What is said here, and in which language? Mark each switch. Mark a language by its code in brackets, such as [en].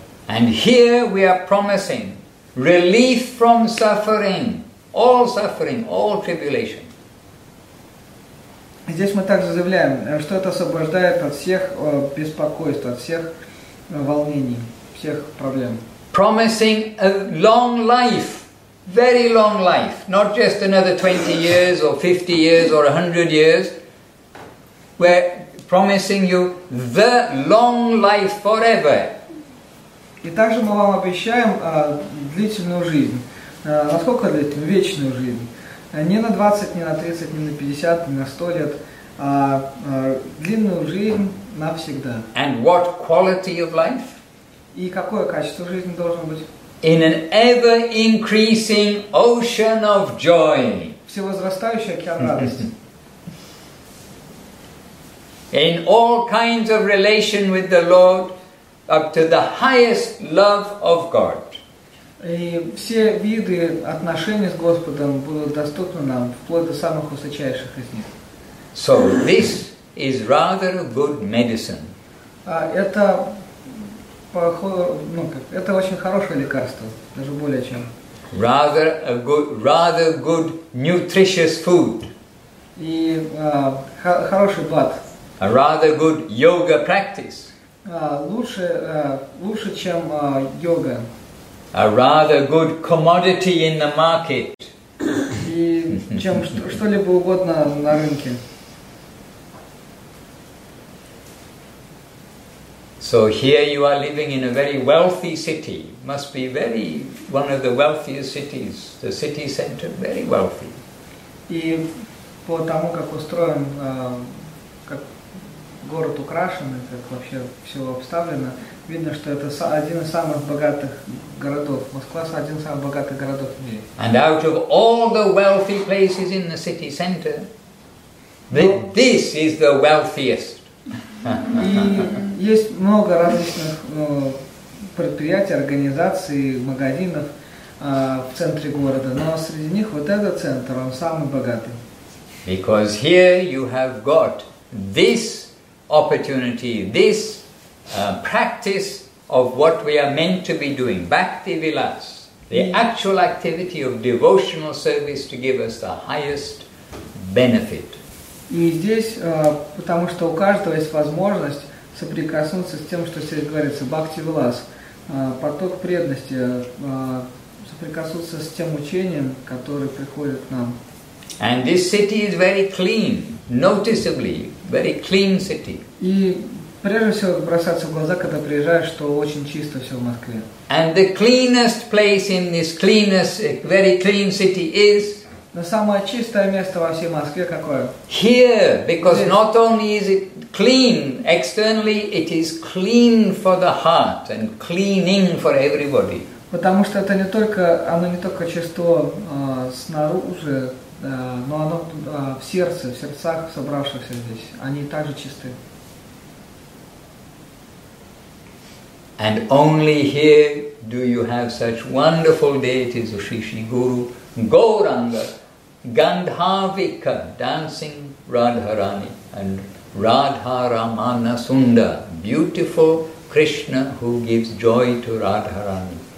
[en] And here we are promising relief from suffering, all tribulation. [ru] Здесь мы также заявляем, что это освобождает от всех беспокойств, от всех волнений, всех проблем. [en] Promising a long life. Very long life, not just another 20 years or 50 years or 100 years. We're promising you the long life forever. [ru] И также мы вам обещаем длительную жизнь. Насколько длительную? Вечную жизнь. Не на 20, не на 30, не на 50, не на 100 лет, а длинную жизнь навсегда. [en] And what quality of life? [ru] И какое качество жизни должно быть? [en] In an ever-increasing ocean of joy. [ru] Всевозрастающий океан радости. [en] In all kinds of relation with the Lord, up to the highest love of God. [ru] И все виды отношений с Господом будут доступны нам вплоть до самых высочайших из них. [en] So this is rather a good medicine. [ru] Это очень хорошее лекарство, даже более чем. [en] Rather good nutritious food. [ru] И хороший БАД. [en] A rather good yoga practice. [ru] Лучше чем йога. [en] A rather good commodity in the market. [ru] И чем что-либо угодно на рынке. [en] So here you are living in a very wealthy city. Must be very one of the wealthiest cities. The city center, very wealthy. [ru] И по тому, как устроен, как город украшен, как вообще все обставлено, видно, что это один из самых богатых городов. Москва – один из самых богатых городов в мире. [en] And out of all the wealthy places in the city center, this is the wealthiest. [ru] И есть много различных предприятий, организаций, магазинов в центре города, но среди них вот этот центр, он самый богатый. [en] Because here you have got this opportunity, this practice of what we are meant to be doing, Bhakti Vilas, the actual activity of devotional service to give us the highest benefit. [ru] И здесь, потому что у каждого есть возможность соприкоснуться с тем, что здесь говорится, Бхакти Вилас, поток преданности, соприкоснуться с тем учением, которое приходит к нам. [en] And this city is very clean, noticeably, very clean city. [ru] И прежде всего бросается в глаза, когда приезжаешь, что очень чисто все в Москве. [en] And the cleanest place in this cleanest, very clean city is... [ru] Но самое чистое место во всей Москве какое? [en] Here, because [ru] здесь. [en] Not only is it clean externally, it is clean for the heart and cleaning for everybody. [ru] Потому что это не только, оно не только чисто снаружи, но оно в сердце, в сердцах собравшихся здесь. Они также чисты. [en] And only here do you have such wonderful deities as Shri Shri Guru Gauranga, Gandharvika, dancing Radharani, and Radharamana Sunda, beautiful Krishna who gives joy to Radharani.